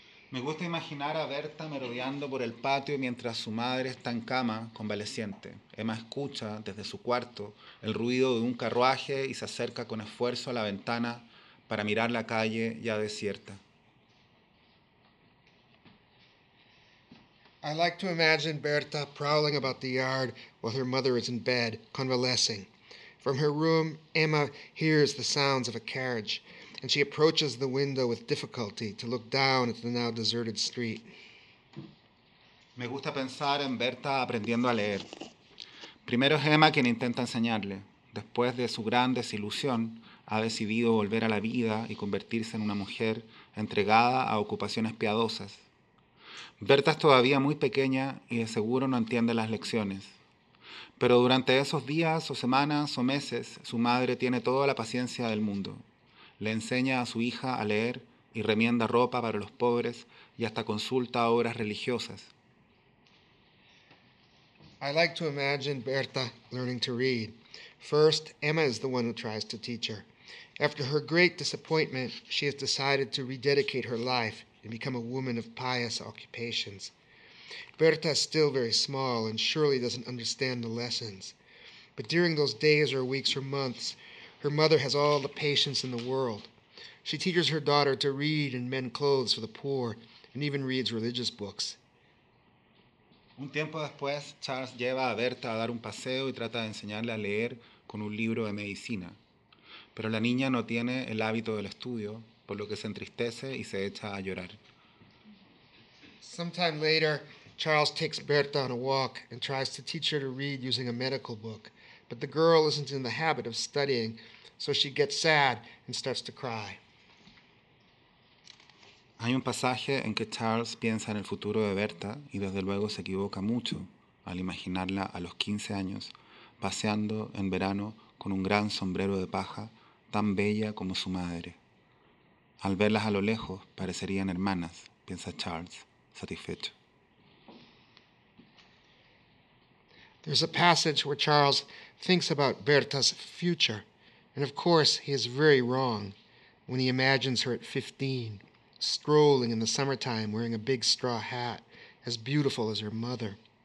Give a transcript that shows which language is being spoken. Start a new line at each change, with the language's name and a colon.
Spanish: Me gusta imaginar a Berta merodeando por el patio mientras su madre está en cama, convaleciente. Emma escucha desde su cuarto el ruido de un carruaje y se acerca con esfuerzo a la ventana para mirar la calle ya desierta.
English: I like to imagine Berta prowling about the yard while her mother is in bed, convalescing. From her room, Emma hears the sounds of a carriage, and she approaches the window with difficulty to look down at the now deserted street.
Spanish: Me gusta pensar en Berta aprendiendo a leer. Primero es Emma quien intenta enseñarle. Después de su gran desilusión, ha decidido volver a la vida y convertirse en una mujer entregada a ocupaciones piadosas. Berta es todavía muy pequeña y de seguro no entiende las lecciones. Pero durante esos días o semanas o meses, su madre tiene toda la paciencia del mundo. Le enseña a su hija a leer y remienda ropa para los pobres y hasta consulta obras religiosas.
English: I like to imagine Berta learning to read. First, Emma is the one who tries to teach her. After her great disappointment, she has decided to rededicate her life and become a woman of pious occupations. Berta is still very small and surely doesn't understand the lessons. But during those days or weeks or months, her mother has all the patience in the world. She teaches her daughter to read and mend clothes for the poor, and even reads religious books.
Spanish: Un tiempo después, Charles lleva a Berta a dar un paseo y trata de enseñarle a leer con un libro de medicina. Pero la niña no tiene el hábito del estudio, por lo que se entristece y se echa a llorar.
English: Sometime later, Charles takes Berta on a walk and tries to teach her to read using a medical book. But the girl isn't in the habit of studying, so she gets sad and starts to cry.
Spanish: Hay un pasaje en que Charles piensa en el futuro de Berta y desde luego se equivoca mucho al imaginarla a los 15 años paseando en verano con un gran sombrero de paja tan bella como su madre. Al verlas a lo lejos parecerían hermanas, piensa Charles, satisfecho.
English: There's a passage where Charles thinks about Berta's future. And of course, he is very wrong when he imagines her at 15, strolling in the summertime wearing a big straw hat, as beautiful as her mother.